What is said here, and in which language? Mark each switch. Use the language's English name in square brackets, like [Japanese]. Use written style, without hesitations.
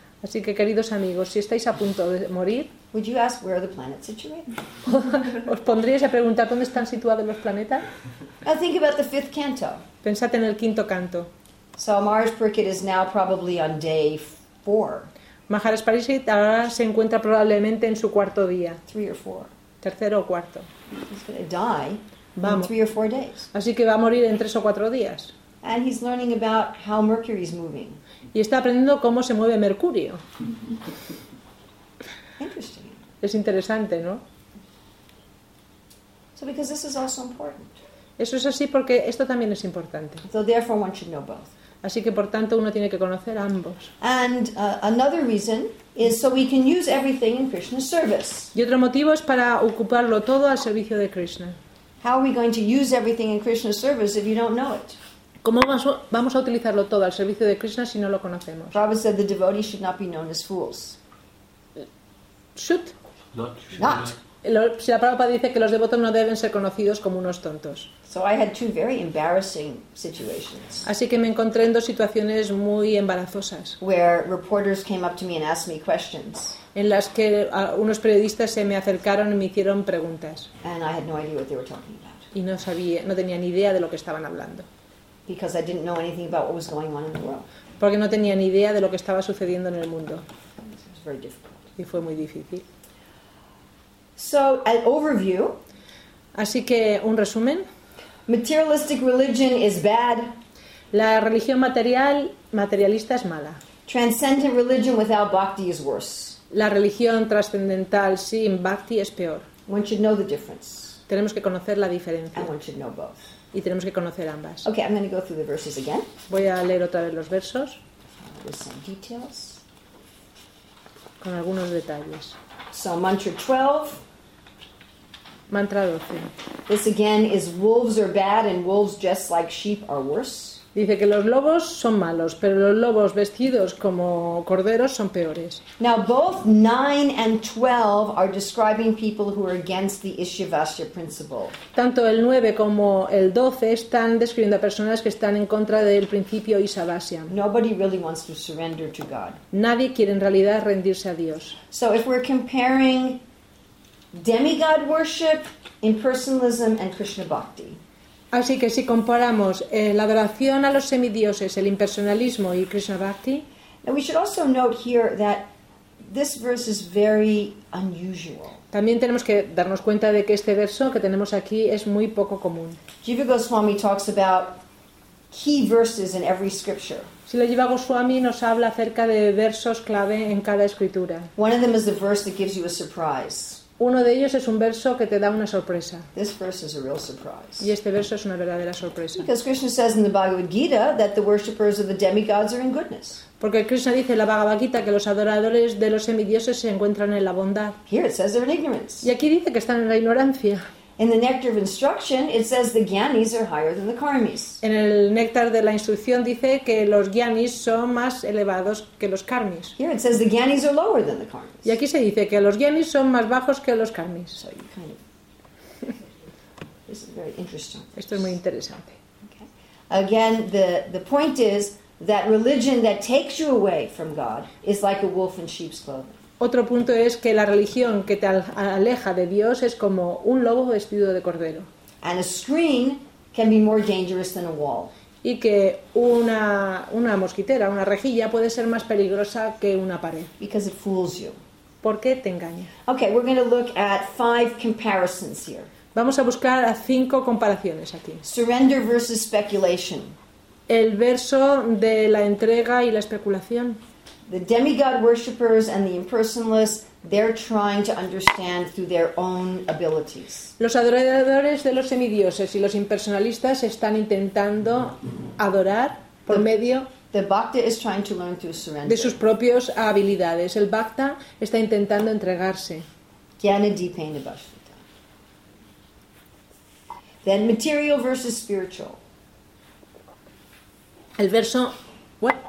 [Spanish] así que queridos amigos, si estáis a punto de morir, [English] would you ask where are the planets situated? [Spanish] ¿Os pondríais a preguntar dónde están situados los planetas? [English] Now think about the fifth canto. [Spanish] Pensad en el quinto canto. [English] So Maharaj Pariksit is now probably on day 4. [Spanish] Maharaj Pariksit ahora se encuentra probablemente en su cuarto día. [English] Three or four. [Spanish] Tercero o cuarto. [English] He's going to die in 3 or 4 days. [Spanish] Así que va a morir en 3 o 4 días. [English] And he's learning about how Mercury is moving. [Spanish] Y está aprendiendo cómo se mueve Mercurio. [English] Interesting. [Spanish] Es interesante, ¿no? [English] So because this is also important. [Spanish] Eso es así porque esto también es importante. [English] So therefore one should know both. [Spanish] Así que por tanto uno tiene que conocer ambos. [English] And another reason is so we can use everything in Krishna's service. [Spanish] Y otro motivo es para ocuparlo todo al servicio de Krishna. [English] How are we going to use everything in Krishna's service if you don't know it? [Spanish] ¿Cómo vamos a utilizarlo todo al servicio de Krishna si no lo conocemos? [English] Prabhupada said the devotees should not be known as fools. Should? Not. [Spanish] Si la Prabhupada dice que los devotos no deben ser conocidos como unos tontos. [English] So I had 2 very embarrassing situations. [Spanish] Así que me encontré en 2 situaciones muy embarazosas. [English] Where reporters came up to me and asked me questions. [Spanish] En las que unos periodistas se me acercaron y me hicieron preguntas. [English] And I had no idea what they were talking about. [Spanish] Y no tenía ni idea de lo que estaban hablando. [English] Because I didn't know anything about what was going on in the world. [Spanish] Porque no tenía ni idea de lo que estaba sucediendo en el mundo. [English] It was very difficult. [Spanish] Y fue muy difícil. [English] So, an overview. [Spanish] Así que un resumen. [English] Materialistic religion is bad. [Spanish] La religión materialista es mala. [English] Transcendent religion without bhakti is worse. [Spanish] La religión trascendental sin bhakti es peor. [English] One should know the difference. [Spanish] Tenemos que conocer la diferencia. [English] And one should know both. [Spanish] Y tenemos que conocer ambas. [English] Okay, I'm going to go through the verses again. [Spanish] Voy a leer otra vez los versos. [English] With some details. [Spanish] Con algunos detalles. [English] So mantra 12. [Spanish] Mantra 12. [English] This again is wolves are bad and wolves dressed like sheep are worse. [Spanish] Dice que los lobos son malos, pero los lobos vestidos como corderos son peores. [English] Now both 9 and 12 are describing people who are against the Ishvastya principle. [Spanish] Tanto el 9 como el 12 están describiendo a personas que están en contra del principio Ishvastya. [English] Nobody really wants to surrender to God. [Spanish] Nadie quiere en realidad rendirse a Dios. [English] So if we're comparing demigod worship, impersonalism and Krishna bhakti. [Spanish] Así que si comparamos la adoración a los semidioses, el impersonalismo y Krishna bhakti. [English] Now we should also note here that this verse is very unusual. [Spanish] También tenemos que darnos cuenta de que este verso que tenemos aquí es muy poco común. [English] Jiva Goswami talks about key verses in every scripture. [Spanish] Si la Jiva Goswami nos habla acerca de versos clave en cada escritura. [English] One of them is the verse that gives you a surprise. [Spanish] Uno de ellos es un verso que te da una sorpresa. [English] This verse is a real surprise. [Spanish] Y este verso es una verdadera sorpresa. [English] Because Krishna says in the Bhagavad Gita that the worshippers of the demigods are in goodness. [Spanish] Porque Krishna dice en la Bhagavad Gita que los adoradores de los semidioses se encuentran en la bondad. [English] Here it says they're in ignorance. [Spanish] Y aquí dice que están en la ignorancia. [English] In the nectar of instruction, it says the gyanis are higher than the karmis. [Spanish] En el néctar de la instrucción dice que los gyanis son más elevados que los karmis. [English] Here it says the gyanis are lower than the karmis. [Spanish] Y aquí se dice que los gyanis son más bajos que los karmis. [English] So you kind of, this is very interesting. [Spanish] Esto es muy interesante. [English] Okay. Again, the point is that religion that takes you away from God is like a wolf in sheep's clothing. [Spanish] Otro punto es que la religión que te aleja de Dios es como un lobo vestido de cordero. [English] And a screen can be more dangerous than a wall. [Spanish] Y que una mosquitera, una rejilla, puede ser más peligrosa que una pared. [English] Because it fools you. [Spanish] Porque te engaña. [English] Okay, we're going to look at five comparisons here. [Spanish] Vamos a buscar a cinco comparaciones aquí. [English] Surrender versus speculation. [Spanish] El verso de la entrega y la especulación. [English] The demigod worshippers and the impersonalists, they're trying to understand through their own abilities. [Spanish] Los adoradores de los semidioses y los impersonalistas están intentando adorar por medio [English] the bhakta is trying to learn through surrender. [Spanish] De sus propias habilidades. El bhakta está intentando entregarse. [Sanskrit] Jnana dipena bhashvita. [English] Then material versus spiritual. [Spanish] El verso [English] what?